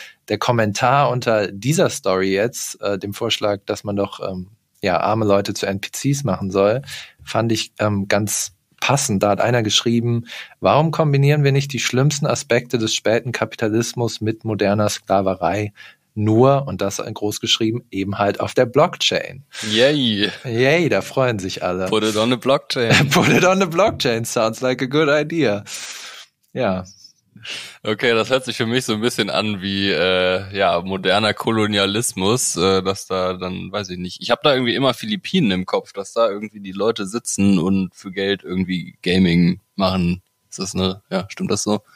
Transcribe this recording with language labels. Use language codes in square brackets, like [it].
[de] Der Kommentar unter dieser Story jetzt, dem Vorschlag, dass man doch ja arme Leute zu NPCs machen soll, fand ich ganz passend. Da hat einer geschrieben, warum kombinieren wir nicht die schlimmsten Aspekte des späten Kapitalismus mit moderner Sklaverei nur, und das groß geschrieben, eben halt auf der Blockchain. Yay. Yay, da freuen sich alle. [en] Put it on the blockchain. Put it on the blockchain, sounds like a good idea. [de] Ja. Okay, das hört sich für mich so ein bisschen an wie ja, moderner Kolonialismus, dass da dann, weiß ich nicht, ich habe da irgendwie immer Philippinen im Kopf, dass da irgendwie die Leute sitzen und für Geld irgendwie Gaming machen. Ist das, ne? Ja, stimmt das so?